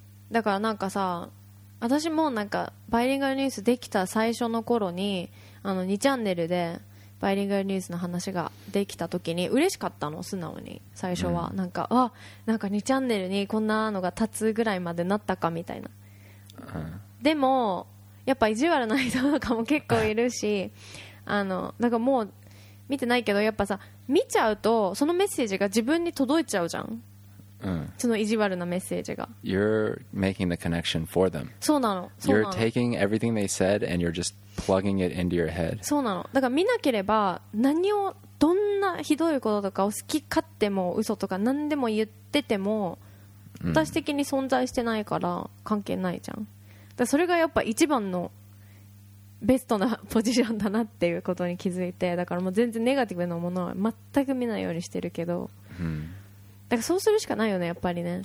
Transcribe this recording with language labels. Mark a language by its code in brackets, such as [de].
[ja] だからなんかさ、私もなんかバイリンガルニュースできた最初の頃に、あの2チャンネルでバイリンガルニュースの話ができた時に嬉しかったの、素直に最初は、なんかあ、なんか2チャンネルにこんなのが立つぐらいまでなったかみたいな。でもやっぱ意地悪な人とかも結構いるし。あのだからもう見てないけど、やっぱさ見ちゃうとそのメッセージが自分に届いちゃうじゃん、その意地悪なメッセージが。 [en] You're making the connection for them. [ja] そうなの、そうなの。 [en] You're taking everything they said and you're just plugging it into your head. [ja] そうなの。だから見なければ何をどんなひどいこととかを好き勝手も嘘とか何でも言ってても、私的に存在してないから関係ないじゃん。だからそれがやっぱ一番のベストなポジションだなっていうことに気づいて、だからもう全然ネガティブなものは全く見ないようにしてるけど、だからそうするしかないよねやっぱりね。